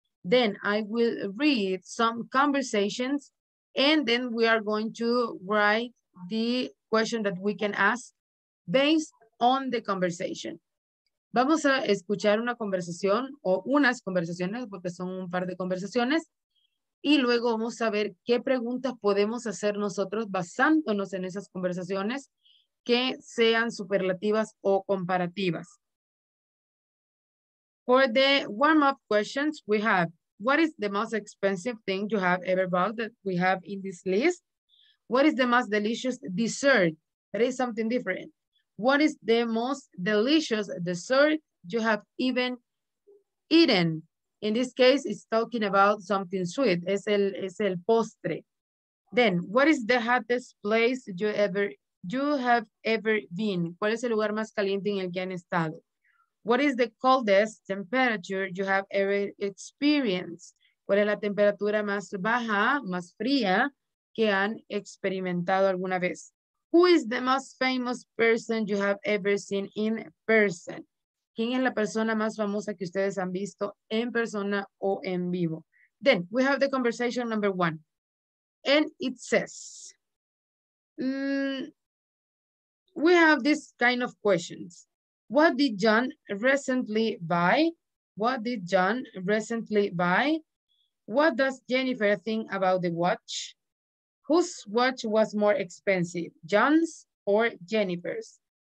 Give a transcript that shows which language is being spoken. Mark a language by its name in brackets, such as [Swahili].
[English] Then I will read some conversations and then we are going to write the question that we can ask based on the conversation. [Spanish] Vamos a escuchar una conversación o unas conversaciones porque son un par de conversaciones y luego vamos a ver qué preguntas podemos hacer nosotros basándonos en esas conversaciones que sean superlativas o comparativas. [English] For the warm-up questions, we have, what is the most expensive thing you have ever bought that we have in this list? What is the most delicious dessert? That is something different. What is the most delicious dessert you have even eaten? In this case, it's talking about something sweet. [Spanish] Es el postre. [English] Then, what is the hottest place you have ever been? [Spanish] ¿Cuál es el lugar más caliente en el que han estado? [English] What is the coldest temperature you have ever experienced? [Spanish] ¿Cuál es la temperatura más baja, más fría que han experimentado alguna vez? [English] Who is the most famous person you have ever seen in person? [Spanish] ¿Quién es la persona más famosa que ustedes han visto en persona o en vivo? [English] Then we have the conversation number one. And it says, we have this kind of questions. What did John recently buy? What did John recently buy? What does Jennifer think about the watch? Whose watch was more expensive, John's or Jennifer's?